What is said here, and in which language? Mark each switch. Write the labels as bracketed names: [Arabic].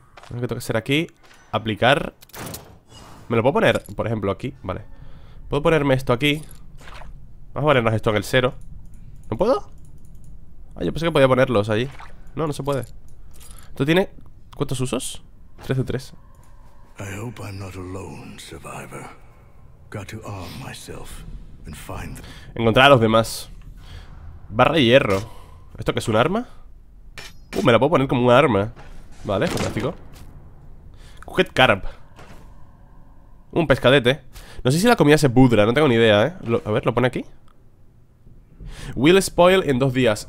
[Spanish] Lo que tengo que hacer aquí. Aplicar. ¿Me lo puedo poner, por ejemplo, aquí? Vale. ¿Puedo ponerme esto aquí? Vamos a ponernos esto en el cero. ¿No puedo? Ah, yo pensé que podía ponerlos ahí. No, no se puede. ¿Esto tiene cuántos usos? 3 de 3. [English] I hope I'm not alone, survivor. Got to arm myself and find them. [Spanish] Encontrar a los demás. Barra de hierro. ¿Esto qué es, un arma? Me la puedo poner como un arma. Vale, fantástico. [English] Cooked carp. [Spanish] Un pescadete. No sé si la comida se pudra, no tengo ni idea, A ver, lo pone aquí. [English] Will spoil [Spanish] en 2 días.